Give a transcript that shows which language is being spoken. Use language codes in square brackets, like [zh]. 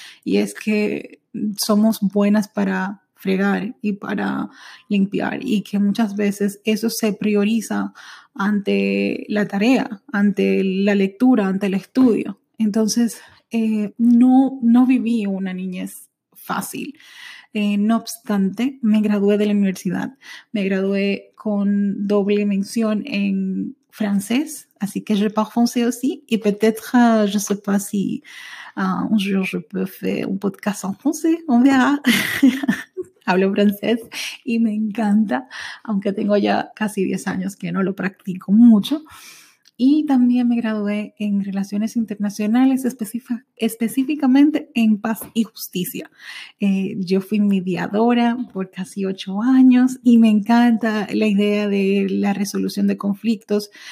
[es] Y es que somos buenas para fregar y para limpiar y que muchas veces eso se prioriza ante la tarea, ante la lectura, ante el estudio. Entonces, no viví una niñez fácil. No obstante, me gradué de la universidad. Me gradué con doble mención en francés. Así que [fr] je parle français aussi. Y peut-être, je ne sais pas si un jour je peux faire un podcast en français. On verra. [es] Hablo francés y me encanta, aunque tengo ya casi 10 años que no lo practico mucho. Y también me gradué en Relaciones Internacionales, específicamente en Paz y Justicia. Yo fui mediadora por casi 8 años y me encanta la idea de la resolución de conflictos.